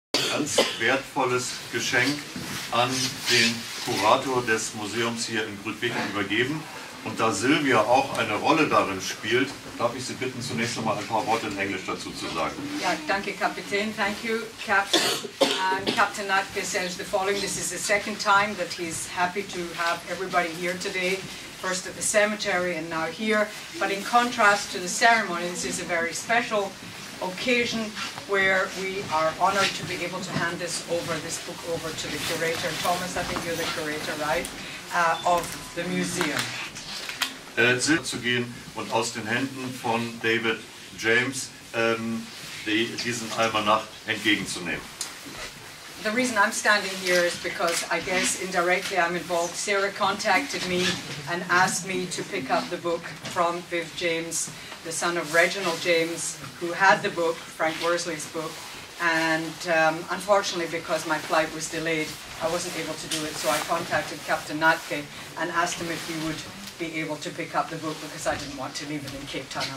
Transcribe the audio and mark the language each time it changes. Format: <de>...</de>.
<de>ganz wertvolles Geschenk an den Kurator des Museums hier in Grütwingen übergeben. Und da Silvia auch eine Rolle darin spielt, darf ich Sie bitten, zunächst noch mal ein paar Worte in Englisch dazu zu sagen. Ja, danke, Kapitän.</de> <en>Thank you, Captain. And Captain Natke says the following. This is the second time that he's happy to have everybody here today. First at the cemetery and now here. But in contrast to the ceremony, this is a very special occasion where we are honored to be able to hand this over, this book over to the curator. Thomas, I think you're the curator, right? Of the museum.</en> <de>Zu gehen und aus den Händen von David James diesen Almanach entgegenzunehmen.</de> <en>The reason I'm standing here is because I guess indirectly I'm involved. Sarah contacted me and asked me to pick up the book from Viv James, the son of Reginald James, who had the book, Frank Worsley's book, and unfortunately because my flight was delayed, I wasn't able to do it, so I contacted Captain Natke and asked him if he would be able to pick up the book because I didn't want to leave it in Cape Town.</en>